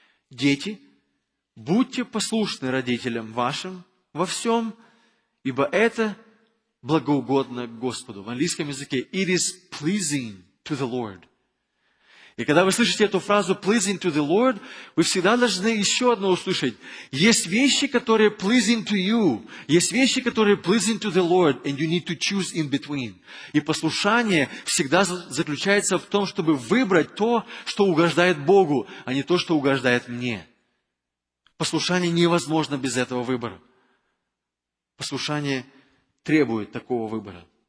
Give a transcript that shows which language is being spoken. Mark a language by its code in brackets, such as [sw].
[ru] «Дети, будьте послушны родителям вашим во всем, ибо это благоугодно Господу». В английском языке [en] «It is pleasing to the Lord». [ru] И когда вы слышите эту фразу [en] «pleasing to the Lord», [ru] вы всегда должны еще одно услышать. Есть вещи, которые [en] «pleasing to you», [ru] есть вещи, которые [en] «pleasing to the Lord», and you need to choose in between. [ru] И послушание всегда заключается в том, чтобы выбрать то, что угождает Богу, а не то, что угождает мне. Послушание невозможно без этого выбора. Послушание требует такого выбора.